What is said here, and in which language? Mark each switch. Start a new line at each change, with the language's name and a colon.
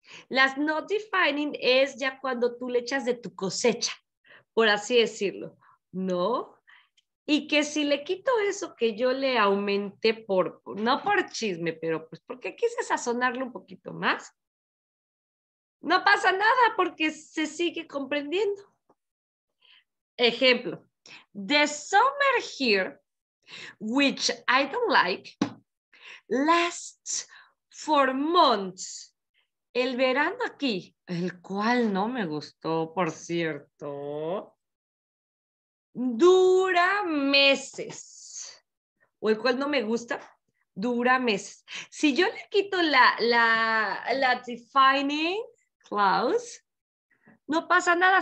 Spanish: Las
English: not defining
Spanish: es ya cuando tú le echas de tu cosecha, por así decirlo, ¿no? Y que si le quito eso que yo le aumenté, no por chisme, pero pues porque quise sazonarlo un poquito más, no pasa nada porque se sigue comprendiendo. Ejemplo.
English: The summer here, which I don't like, lasts for months.
Spanish: El verano aquí, el cual no me gustó, por cierto, dura meses. O el cual no me gusta, dura meses. Si yo le quito la
English: defining clause,
Spanish: no pasa nada.